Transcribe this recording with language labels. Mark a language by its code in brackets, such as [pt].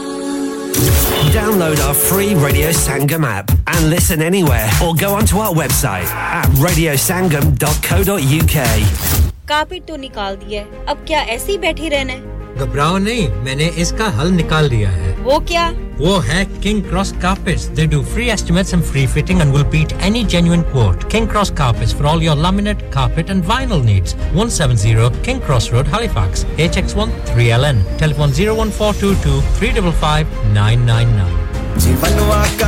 [en] Sangam app and listen anywhere or go onto our website at radiosangam.co.uk. [hi] Carpet तो निकाल दिया है, अब क्या ऐसे ही बैठे रहना है? घबराओ नहीं, मैंने इसका हल निकाल दिया है. वो क्या? वो है [en] King Cross Carpets. They do free estimates and free fitting and will beat any genuine quote. King Cross Carpets for all your laminate, carpet and vinyl needs. 170 King Cross Road, Halifax. HX1 3LN. Telephone 01422 355 999.